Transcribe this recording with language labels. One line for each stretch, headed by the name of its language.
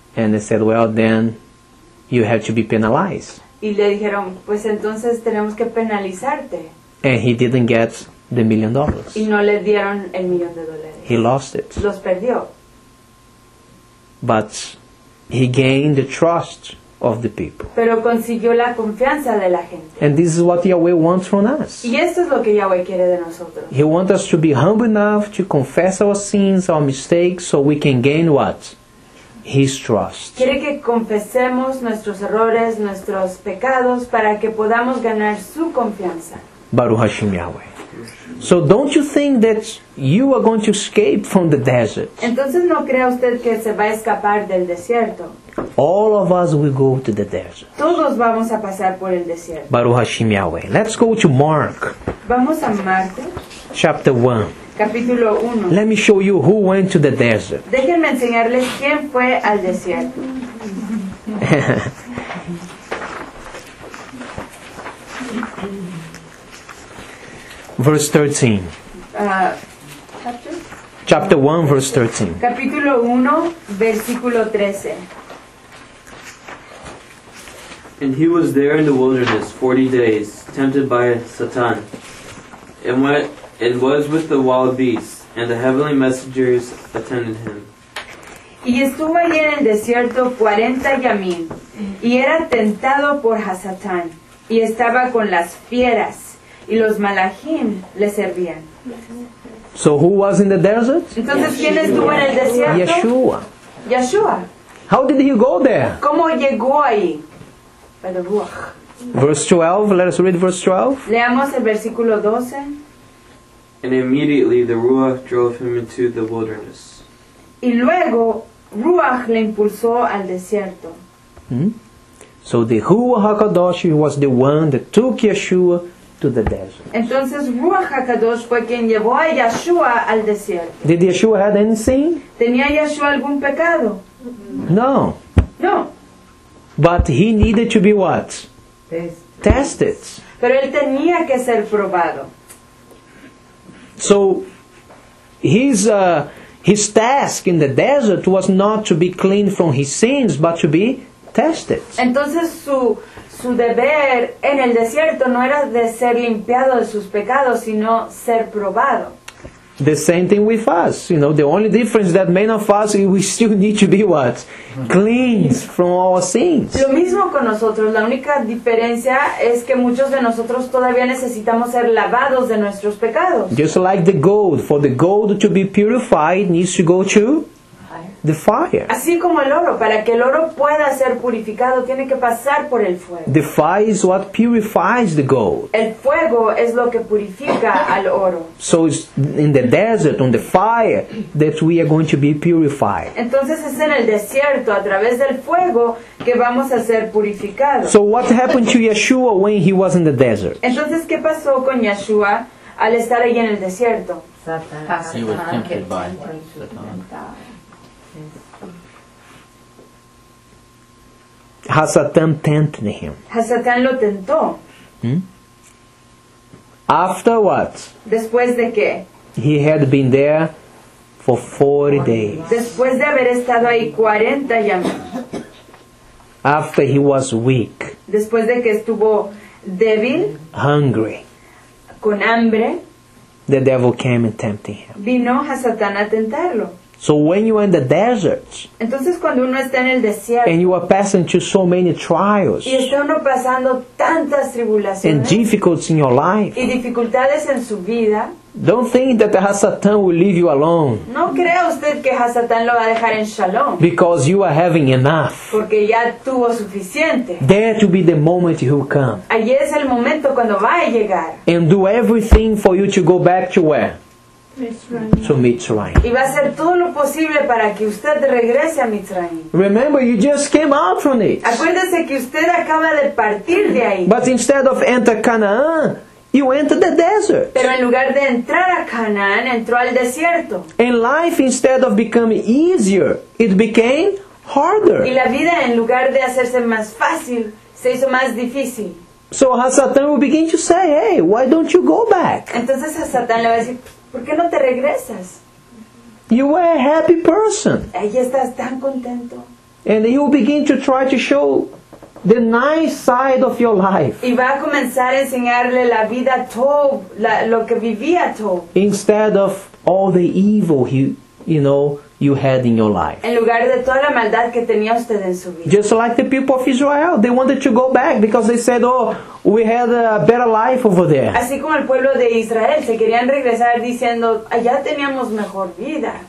English: And they said, well, then you have to be penalized.
Spanish: Y le dijeron, pues entonces tenemos que penalizarte.
English: And he didn't get the $1,000,000.
Spanish: Y no le dieron el millón de dólares.
English: He lost it.
Spanish: Los perdió.
English: But he gained the trust of the people.
Spanish: Pero consiguió la confianza de la gente.
English: And this is what Yahweh wants from us.
Spanish: Y esto es lo que Yahweh quiere de nosotros.
English: He wants us to be humble enough to confess our sins, our mistakes, so we can gain what? His trust.
Spanish: Quiere que confesemos nuestros errores, nuestros pecados, para que podamos ganar su confianza.
Hebrew: Baruch Hashem Yahweh.
English: So don't you think that you are going to escape from the desert?
Spanish: Entonces no crea usted que se va a escapar del desierto.
English: All of us will go to the desert.
Spanish: Todos vamos a pasar por el desierto.
Hebrew: Baruch Hashem Yahweh.
English: Let's go to Mark.
Spanish: Vamos a Marcos.
English: Chapter 1.
Spanish: Capítulo 1.
English: Let me show you who went to the desert.
Spanish: Déjenme enseñarles quién fue al desierto.
English: Verse 13. Chapter 1, verse 13.
Spanish: Capítulo 1, versículo 13.
English: And he was there in the wilderness 40 days, tempted by Satan, and went and was with the wild beasts, and the heavenly messengers attended him.
Spanish: Y estuvo allí en el desierto 40 yamín, y era tentado por Hasatán, y estaba con las fieras, y los malachim le servían.
English: So who was in the desert?
Spanish: Entonces, ¿quién estuvo en el desierto?
English: Yeshua.
Spanish: Yeshua.
English: How did he go there?
Spanish: ¿Cómo llegó ahí?
English: Verse 12, let us read verse 12.
Spanish: Leamos el versículo 12.
English: And immediately the Ruach drove him into the wilderness.
Spanish: Y luego Ruach le impulsó al desierto.
English: So the Ruach HaKadosh was the one that took Yeshua to the desert.
Spanish: Entonces Ruach HaKadosh fue quien llevó a Yeshua al desierto.
English: Did Yeshua have anything?
Spanish: ¿Tenía Yeshua algún pecado?
English: No.
Spanish: No.
English: But he needed to be what? Tested.
Spanish: Pero él tenía que ser probado.
English: So, his task in the desert was not to be cleaned from his sins, but to be tested.
Spanish: Entonces, su deber en el desierto no era de ser limpiado de sus pecados, sino ser probado.
English: The same thing with us. You know, the only difference that many of us, we still need to be what? Cleansed from our sins.
Spanish: Lo mismo con nosotros. La única diferencia es que muchos de nosotros todavía necesitamos ser lavados de nuestros pecados.
English: Just like the gold. For the gold to be purified, needs to go to the fire.
Spanish: Así como el oro. Para que el oro pueda ser purificado, tiene que pasar por el fuego.
English: The fire is what purifies the gold.
Spanish: El fuego es lo que purifica al oro.
English: So it's in the desert, on the fire, that we are going to be purified.
Spanish: Entonces es en el desierto, a través del fuego, que vamos a ser purificados.
English: So what happened to Yeshua when he was in the desert?
Spanish: Entonces, ¿qué pasó con Yeshua al estar ahí en el desierto?
English: He was tempted by Satan. Hasatan tempted him.
Spanish: Hasatan lo tentó.
English: After what?
Spanish: Después de qué?
English: He had been there for 40 days.
Spanish: Después de haber estado ahí 40 yamín.
English: After he was weak.
Spanish: Después de que estuvo débil.
English: Hungry.
Spanish: Con hambre.
English: The devil came and tempted him.
Spanish: Vino Hasatan a tentarlo.
English: So when you are in the desert,
Spanish: entonces, cuando uno está en el desierto,
English: and you are passing through so many trials,
Spanish: y está uno pasando tantas tribulaciones,
English: and difficulties in your life,
Spanish: y dificultades en su vida,
English: don't think that the Hasatan will leave you alone.
Spanish: No crea usted que Hasatan lo va a dejar en shalom.
English: Because you are having enough.
Spanish: Porque ya tuvo suficiente.
English: There to be the moment he will come.
Spanish: Allí es el momento cuando va a llegar.
English: And do everything for you to go back to where? To Mitzrayim.
Spanish: Y va a hacer todo lo posible para que usted regrese a Mitzrayim.
English: Remember, you just came out from it.
Spanish: Acuérdese que usted acaba de partir de ahí.
English: But instead of enter Canaan, you enter the desert.
Spanish: Pero en lugar de entrar a Canaan, entró al desierto.
English: And life, instead of becoming easier, it became harder.
Spanish: Y la vida, en lugar de hacerse más fácil, se hizo más difícil.
English: So Hasatan will begin to say, hey, why don't you go back?
Spanish: Entonces Hasatan le va a decir, ¿por qué no te regresas?
English: You were a happy person.
Spanish: Ahí estás tan contento.
English: And he will begin to try to show the nice side of your life.
Spanish: Y va a comenzar a enseñarle la vida Tov, lo que vivía Tov.
English: Instead of all the evil you had in your life.
Spanish: En lugar de toda la maldad que tenía usted en su vida.
English: Just like the people of Israel, they wanted to go back because they said, oh, we had a better life over there.
Spanish: Así como el pueblo de Israel se querían regresar diciendo, allá teníamos mejor vida.